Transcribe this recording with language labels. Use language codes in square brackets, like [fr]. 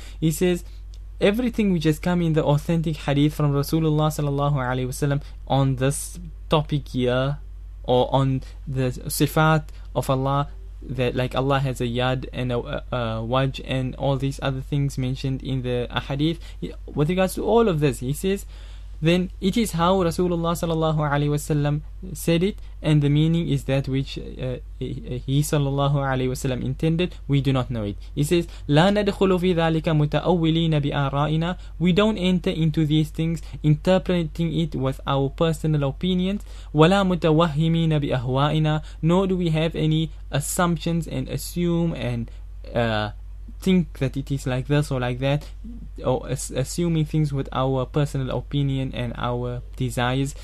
[en] He says, everything which has come in the authentic hadith from Rasulullah sallallahu alayhi wasallam on this topic here, or on the sifat of Allah, that like Allah has a yad and a waj and all these other things mentioned in the hadith, with regards to all of this, he says, then it is how Rasulullah sallallahu alaihi wasallam said it, and the meaning is that which he sallallahu alaihi wasallam intended. We do not know it. He says, [ar] لا ندخل في ذلك متأولين بآرائنا. [en] We don't enter into these things interpreting it with our personal opinions. [ar] ولا متوهمين بأهوائنا. [en] Nor do we have any assumptions and assume and think that it is like this or like that, or assuming things with our personal opinion and our desires.